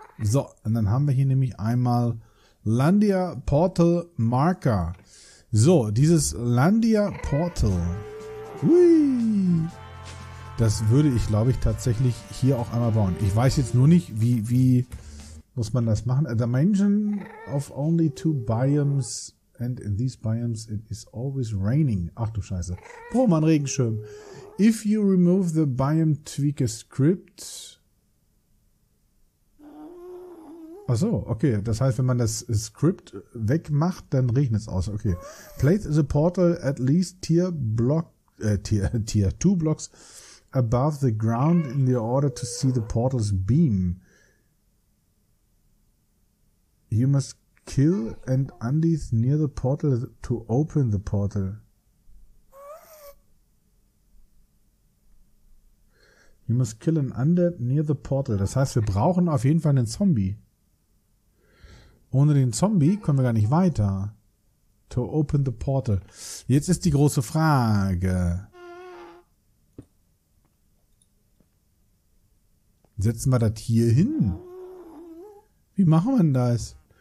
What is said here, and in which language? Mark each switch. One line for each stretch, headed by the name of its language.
German: So, und dann haben wir hier nämlich einmal Landia Portal Marker. So, dieses Landia Portal. Hui. Das würde ich, glaube ich, tatsächlich hier auch einmal bauen. Ich weiß jetzt nur nicht, wie muss man das machen.
English: A dimension of only 2 biomes. And in these biomes, it is always raining.
German: Ach du Scheiße. Boah, mein Regenschirm.
English: If you remove the biome tweaker script.
German: Ach so, okay. Das heißt, wenn man das Script wegmacht, dann regnet es aus. Okay.
English: Place the portal at least tier block, tier 2 blocks above the ground in the order to see the portal's beam. You must kill and undies near the portal to open the portal. You must kill an undead near the portal.
German: Das heißt, wir brauchen auf jeden Fall einen Zombie. Ohne den Zombie kommen wir gar nicht weiter.
English: To open the portal.
German: Jetzt ist die große Frage. Setzen wir das hier hin? Wie machen wir denn das?